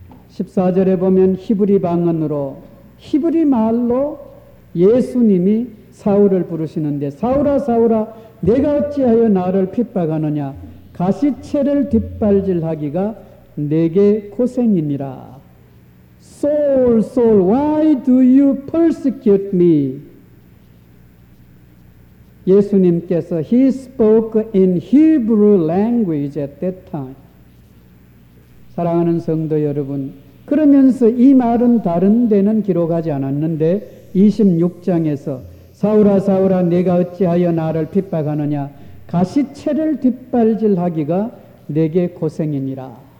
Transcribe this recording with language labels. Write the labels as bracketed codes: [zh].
[ko] 14절에 보면 히브리 방언으로 히브리 말로 예수님이 사울을 부르시는데 사울아 사울아 내가 어찌하여 나를 핍박하느냐. 가시채를 뒷발질하기가 내게 고생이니라. [en] Soul, soul, why do you persecute me? 예수님께서 He spoke in Hebrew language at that time. [ko] 사랑하는 성도 여러분, 그러면서 이 말은 다른 데는 기록하지 않았는데 26장에서 사울아 사울아 내가 어찌하여 나를 핍박하느냐. 가시채를 뒷발질하기가 내게 고생이니라.